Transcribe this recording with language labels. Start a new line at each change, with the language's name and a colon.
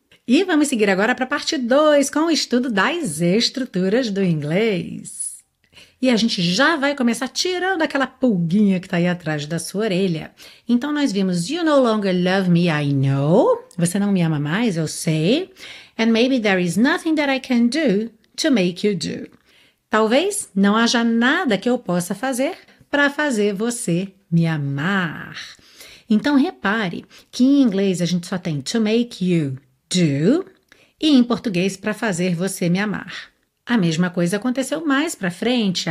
Portuguese: E vamos seguir agora para a parte 2 com o estudo das estruturas do inglês. E a gente já vai começar tirando aquela pulguinha que está aí atrás da sua orelha. Então nós vimos
English: You no longer love me, I know.
Portuguese: Você não me ama mais, eu sei.
English: And maybe there is nothing that I can do to make you do.
Portuguese: Talvez não haja nada que eu possa fazer para fazer você me amar. Então repare que em inglês a gente só tem
English: to make you do
Portuguese: e em português para fazer você me amar. A mesma coisa aconteceu mais para frente.